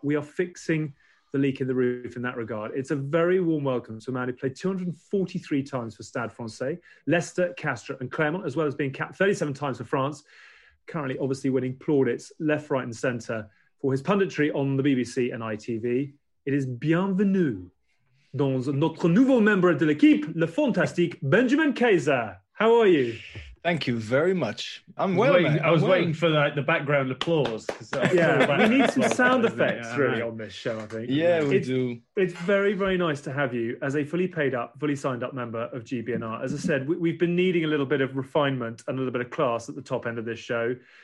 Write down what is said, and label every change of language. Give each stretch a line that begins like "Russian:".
English: We are fixing the leak in the roof in that regard. It's a very warm welcome to a man who played 243 times for Stade Francais, Leicester, Castres and Clermont, as well as being capped 37 times for France, currently obviously winning plaudits left, right and centre for his punditry on the BBC and ITV. It is
French: bienvenue dans notre nouveau membre de l'équipe, le fantastique Benjamin Kaiser.
English: How are you? Thank you very much. I'm well, mate. I was waiting for the background applause. We need some sound effects, really, on this show, I think. Yeah, we do. It's very, very nice to have you as a fully paid up, fully signed up member of GB&R. As I said, we've been needing a little bit of refinement and a little bit of class at the top end of this show.